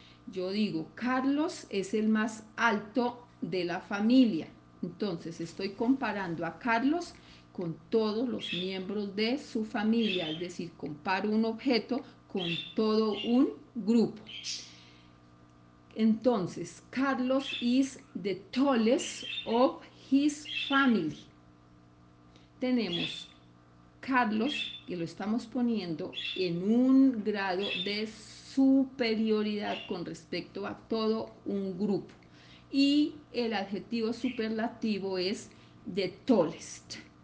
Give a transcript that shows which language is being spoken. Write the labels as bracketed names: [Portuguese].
[Spanish] Yo digo, Carlos es el más alto de la familia. Entonces estoy comparando a Carlos con todos los miembros de su familia, es decir, comparo un objeto con todo un grupo. [English] Entonces, Carlos is the tallest of his family. [Spanish] Tenemos Carlos, que lo estamos poniendo en un grado de superioridad con respecto a todo un grupo. Y el adjetivo superlativo es [English] the tallest.